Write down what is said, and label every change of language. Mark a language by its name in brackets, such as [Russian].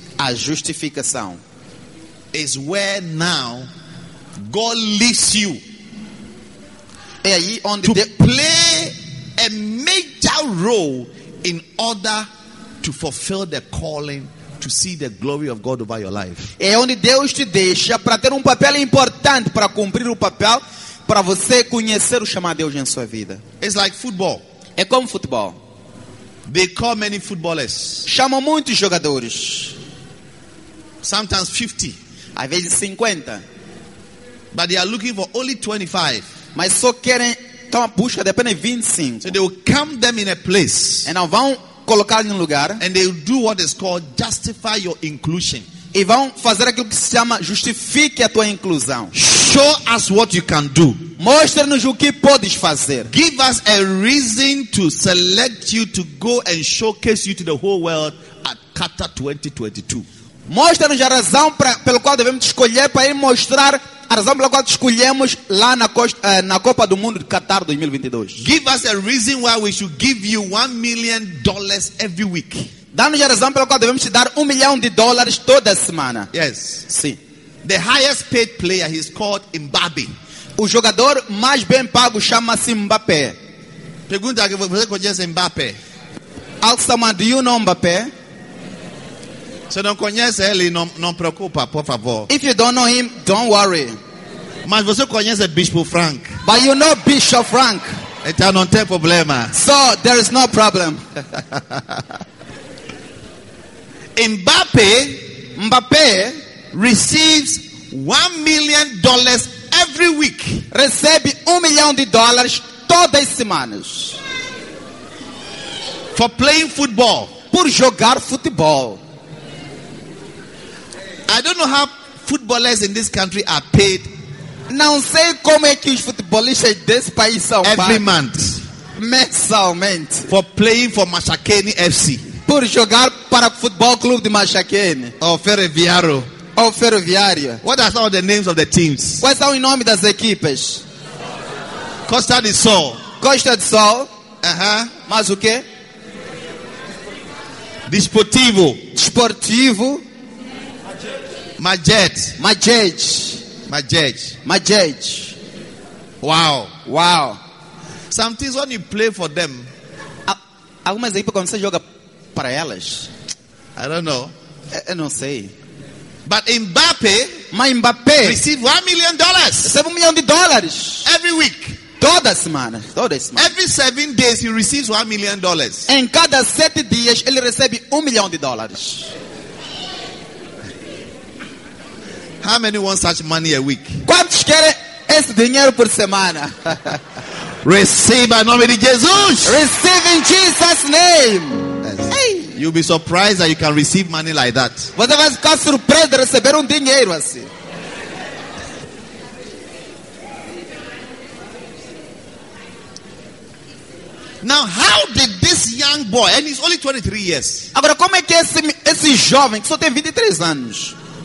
[Portuguese] a justificação [English] is where now God leads you [Portuguese] é aí onde [English] to play a major role in order to fulfill the calling to see the glory of God over your life. [Portuguese] É onde Deus te deixa para ter papel importante, para cumprir papel, para você conhecer o chamado de Deus em sua vida. [English] It's like football. [Portuguese] É como futebol. [English] They call many footballers. [Portuguese] Chamam muitos jogadores. [English] Sometimes 50. [Portuguese] Às vezes 50. [English] But they are looking for only 25. [Portuguese] Mas só querem tão busca de apenas 25. [English] So they will camp them in a place. [Portuguese] E não vão colocar em lugar. [English] And they will do what is called justify your inclusion. [Portuguese] E vão fazer aquilo que se chama justifique a tua inclusão. [English] Show us what you can do. [Portuguese] Mostre-nos o que podes fazer. [English] Give us a reason to select you to go and showcase you to the whole world at Qatar 2022. [Portuguese] Mostre-nos a razão pela qual devemos te escolher para ir mostrar a razão pela qual te escolhemos lá na Copa do Mundo de Qatar 2022. [English] Give us a reason why we should give you $1 million every week. [Portuguese] Dá-nos a razão pela qual devemos te dar $1 million toda semana. [English] Yes. [Portuguese] Sim. [English] The highest paid player, he's called Mbappe. [Portuguese] O jogador mais bem pago chama-se Mbappe. Pergunta que você conhece Mbappe. [English] Ask someone, do you know Mbappe? [Portuguese] Se não conhece ele, não preocupa, por favor. [English] If you don't know him, don't worry. [Portuguese] Mas você conhece Bispo Frank. [English] But you know Bishop Frank. [Portuguese] Então não tem problema. [English] So there is no problem. Mbappe receives $1 million every week. [Portuguese] Recebe $1 million todas as semanas. [English] For playing football. [Portuguese] Por jogar futebol. [English] I don't know how footballers in this country are paid. [Portuguese] Não sei como é que os futebolistas desse país são pagos. [English] Every month. [Portuguese] Mensalmente. [English] For playing for Mashakeni FC. [Portuguese] Por jogar para o futebol clube de Mashakeni. Ou Ferroviário. Ou Ferroviária. [English] What are some of the names of the teams? [Portuguese] Quais são os nomes das equipes? Costa do Sol. Costa do Sol. Uh-huh. Mas o quê? Desportivo. Desportivo. Majed. Majed. Majed. Majed. Wow. Wow. [English] Some things when you play for them. [Portuguese] Algumas equipes quando você joga para elas. [English] I don't know. [Portuguese] Eu não sei. [English] But Mbappe. My Mbappe. Receive $1 million. [Portuguese] Recebe $1 million. [English] Every week. [Portuguese] Toda semana. Toda semana. [English] Every 7 days he receives $1 million. [Portuguese] Em cada 7 dias ele recebe $1 million. [English] How many want such money a week? [Portuguese] Quantos querem esse dinheiro por semana? [English] Receive in the name of Jesus. Receive in Jesus' name. Yes. Hey. You'll be surprised that you can receive money like that. [Portuguese] Você vai ficar surpreso de receber dinheiro assim. [English] Now, how did this young boy, and he's only 23 years. [Portuguese] Agora, como é que esse jovem que só tem 23 anos?